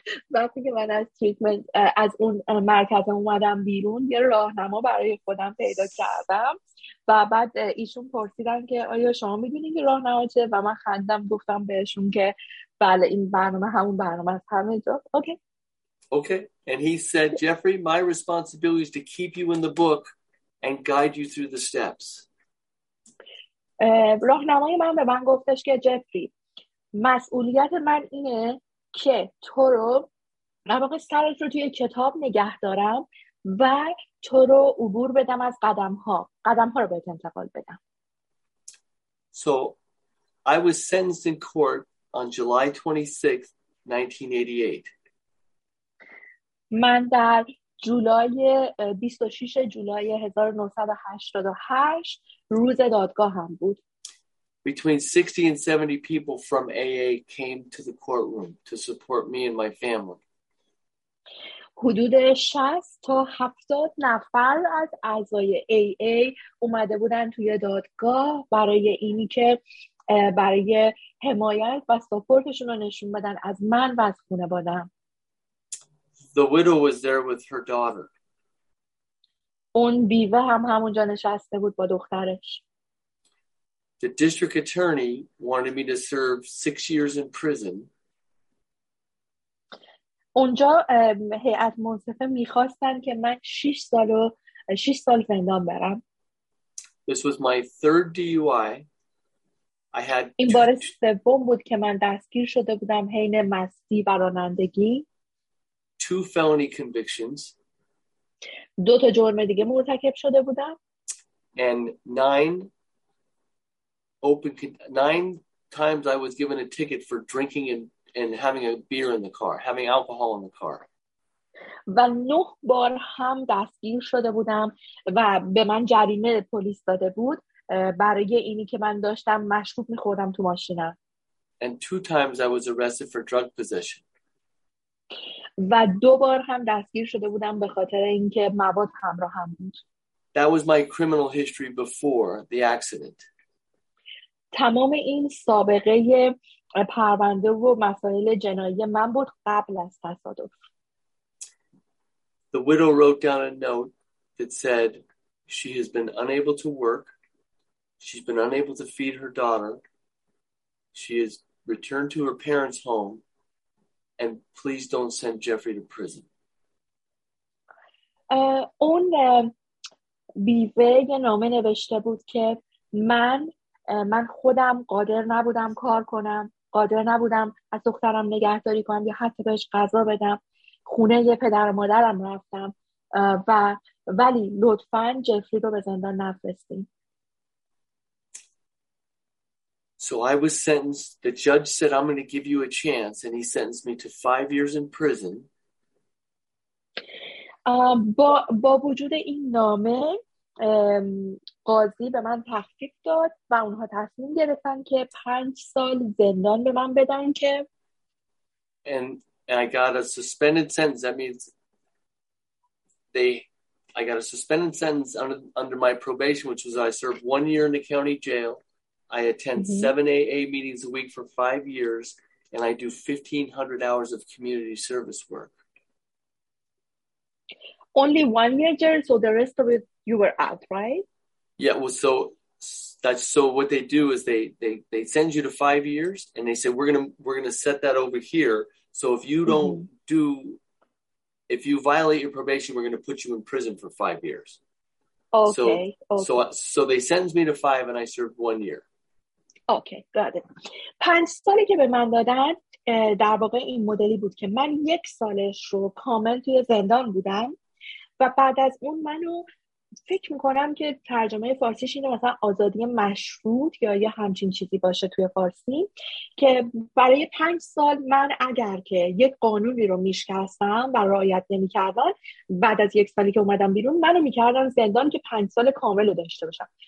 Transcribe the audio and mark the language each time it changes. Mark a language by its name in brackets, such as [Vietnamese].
[Persian] وقتی که من از تریتمنت از اون مرکز اومدم بیرون، یه راهنما برای خودم پیدا کردم و بعد ایشون پرسیدن که آیا شما میدونین که راهنما چیه، و من خندم گفتم بهشون که بله، این برنامه همون برنامه از همه جا. [English] Okay. And he said, Jeffrey, my responsibility is to keep you in the book and guide you through the steps. [Persian] راهنمای من به من گفتش که جفری، مسئولیت من اینه که تو رو رواقع سرت رو توی کتاب نگه دارم و تو رو عبور بدم از قدم ها رو بهت انتقال بدم. [English] So I was sentenced in court on July 26, 1988. [Persian] من در جولای 26 جولای 1988 روز دادگاهم بود. [English] Between 60 and 70 people from AA came to the courtroom to support me and my family. [Persian] حدود 60 تا 70 نفر از اعضای AA اومده بودن توی دادگاه برای اینی که برای حمایت و ساپورتشون رو نشون بدن از من و از خانواده‌ام. [English] The widow was there with her daughter. [Persian] اون بیوه هم همونجا نشسته بود با دخترش. [English] The district attorney wanted me to serve 6 years in prison. [Persian] اونجا هیئت منصفه میخواستن که من 6 سال زندان برم. [English] This was my third DUI. I had [Persian] این بار سوم بود که من دستگیر شده بودم حین مستی و رانندگی. [English] Two felony convictions. [Persian] دو تا جرم دیگه مرتکب شده بودم. [English] And nine times I was given a ticket for drinking and having a beer in the car, having alcohol in the car. [Persian] و 9 بار هم دستگیر شده بودم و به من جریمه پلیس داده بود برای اینی که من داشتم مشروب می‌خوردم تو ماشینم. [English] And 2 times I was arrested for drug possession. [Persian] و 2 بار هم دستگیر شده بودم به خاطر اینکه مواد همراه هم بود. [English] That was my criminal history before the accident. [Persian] تمام این سابقه پرونده و مسائل جنایی من بود قبل از تصادف. [English] The widow wrote down a note that said she has been unable to work. She's been unable to feed her daughter. She has returned to her parents' home. And please don't send Jeffrey to prison. [Persian] اون بیوه یه نامه نوشته بود که من خودم قادر نبودم کار کنم، قادر نبودم از دخترم نگهداری کنم یا حتی بهش غذا بدم. خونه یه پدر و مادرم رفتم و ولی لطفاً جفری رو به زندان نفرستیم. [English] So I was sentenced, the judge said, I'm going to give you a chance, and he sentenced me to 5 years in prison. [Persian] با وجود این نامه، قاضی به من تخفیف داد و اونها تصمیم گرفتن که 5 سال زندان به من بدن که... [English] And I got a suspended sentence, that means I got a suspended sentence under my probation, which was I served 1 year in the county jail. I attend 7 AA meetings a week for 5 years, and I do 1,500 hours of community service work. Only 1 year, Jared, so the rest of it, you were out, right? Yeah, well, so what they do is they send you to 5 years, and they say, we're gonna set that over here. So if you don't if you violate your probation, we're going to put you in prison for 5 years. Okay. So they send me to 5, and I served 1 year. Okay, got it. [Persian] 5 سالی که به من دادن در واقع این مدلی بود که من 1 سالش رو کامل توی زندان بودم و بعد از اون منو فکر میکنم که ترجمه فارسیش اینه مثلا آزادی مشروط یا یه همچین چیزی باشه توی فارسی، که برای 5 سال من اگر که یک قانونی رو میشکستم و رعایت نمیکردم، بعد از 1 سالی که اومدم بیرون منو میکردن زندان که 5 سال کامل رو داشته باشم.